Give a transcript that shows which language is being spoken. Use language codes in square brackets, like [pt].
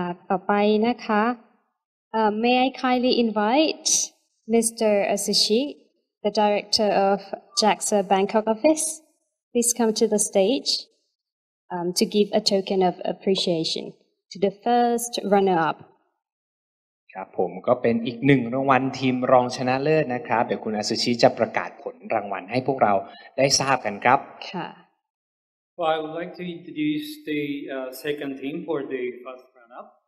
[th] ต่อไปนะคะ [en] may I kindly invite Mr. Asishi, the director of JAXA Bangkok office, please come to the stage to give a token of appreciation to the first runner-up. [th] ครับผมก็เป็นอีกหนึ่งรางวัลทีมรองชนะเลิศนะครับเดี๋ยวคุณอาซูชิจะประกาศผลรางวัลให้พวกเราได้ทราบกันครับ ค่ะ [en] Well, I would like to introduce the second team for the first runner-up.